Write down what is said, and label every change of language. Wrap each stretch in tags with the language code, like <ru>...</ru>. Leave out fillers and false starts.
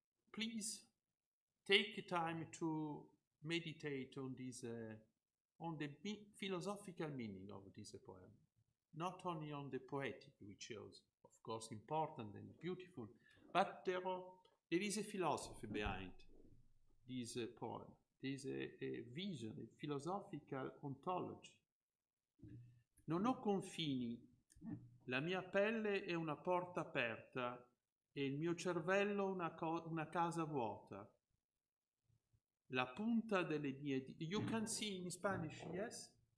<en>Please take time to meditate on this, on the philosophical meaning of this poem, not only on the poetic, which is, of course, important and beautiful, but there is a philosophy behind this poem. There is a vision, a philosophical ontology.</en> <it>Non ho confini, la mia pelle è una porta aperta e il mio cervello una casa vuota. La punta delle mie dita.</it> <en>You can see in Spanish, yes?</en>